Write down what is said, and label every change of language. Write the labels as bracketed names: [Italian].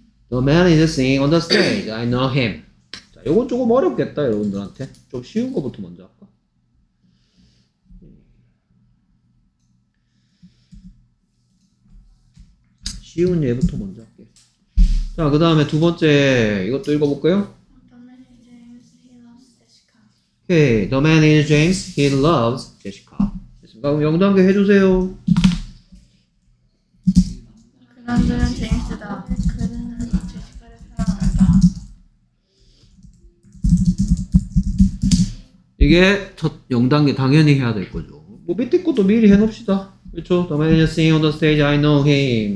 [English] The man is singing on the stage. I know him. [Korean] 자, 이건 조금 어렵겠다, 여러분들한테. 좀 쉬운 것부터 먼저 할까? 쉬운 예부터 먼저 할까? 자, 그 다음에 두 번째 이것도 읽어볼까요? [English] The man is James, he loves Jessica. Okay, the man is James, he loves Jessica. [Korean] 됐습니까? 그럼 영단계 해주세요. 그 남자는 제임스다. 그는 제시카를 사랑한다. 이게 첫 영단계 당연히 해야 될 거죠. 뭐 밑에 것도 미리 해놓읍시다. 그렇죠? [English] The man is singing on the stage, I know him.